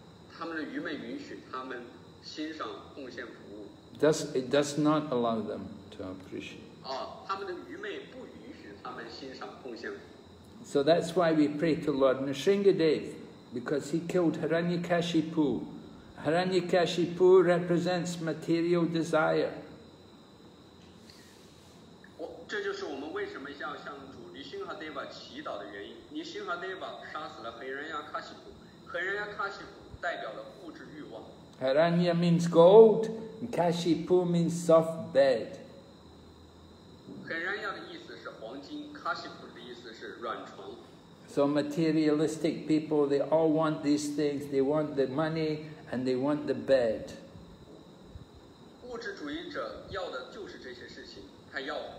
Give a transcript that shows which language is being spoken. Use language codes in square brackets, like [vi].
[zh] 他们的愚昧允许他们欣赏奉献服务。 [en] It does not allow them to appreciate. [zh] 他们的愚昧不允许他们欣赏奉献服务。 [en] So that's why we pray to Lord Nrisimhadev, because he killed Hiranyakashipu. Hiranyakashipu represents material desire. [zh] 这就是我们为什么要向主尼辛哈德瓦祈祷的原因。尼辛哈德瓦杀死了黑人亚卡西普，黑人亚卡西普代表了物质欲望。 [en] Hiranya means gold, and Kashipu means soft bed. [zh] Hiranya 的意思是黄金， Kashipu 的意思是软床。 [en] So materialistic people, they all want these things. They want the money and they want the bed. [zh] 物质主义者要的就是这些事情，他要。